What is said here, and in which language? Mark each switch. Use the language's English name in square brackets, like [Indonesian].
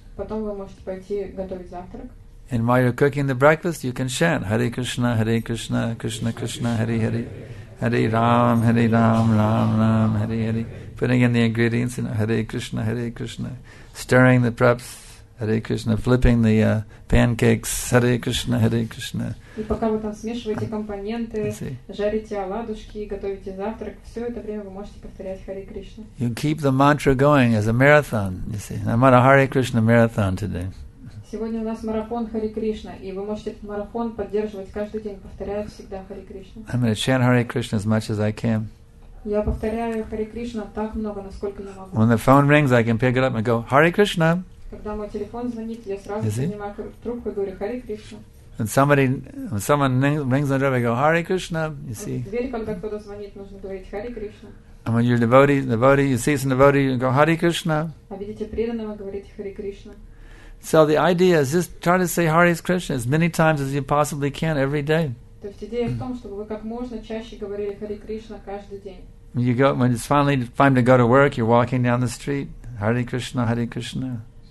[Russian] Потом вы можете пойти готовить завтрак. [English] And while you're cooking the breakfast, you can chant Hare Krishna, Hare Krishna, Krishna Krishna, Hare Hare, Hare Ram, Hare Ram, Ram Ram, Hare Hare. Putting in the ingredients, you know, Hare Krishna, Hare Krishna. Stirring the preps, Hare Krishna. Flipping the pancakes, Hare Krishna, Hare Krishna. [Russian] И пока вы там смешиваете компоненты, жарите оладушки, готовите завтрак, все это время вы можете повторять Hare Krishna. [English] You keep the mantra going as a marathon. You see, I'm on a Hare Krishna marathon today. [Russian] Сегодня у нас марафон Хари Кришна, и вы можете этот марафон поддерживать каждый день, повторяя всегда Хари Кришна. [English] I'm going to chant Hare Krishna as much as I can. [Russian] Я повторяю Хари Кришна так много, насколько я могу. [English] When the phone rings, I can pick it up and go, Hare Krishna. [Russian] Когда мой телефон звонит, я сразу поднимаю трубку и говорю, Хари Кришна. [English] And somebody, when someone rings on the door, I go, Hare Krishna, you see. [Russian] Дверь, когда кто-то звонит, нужно говорить, Хари Кришна. [English] And when you're a devotee, you see some devotee, you go, Hare Krishna. [Russian] А видите преданного, говорите, Хари Кришна. [English] So the idea is just try to say Hare Krishna as many times as you possibly can every day. When you go, when it's finally time to go to work, you're walking down the street, Hare Krishna, Hare Krishna.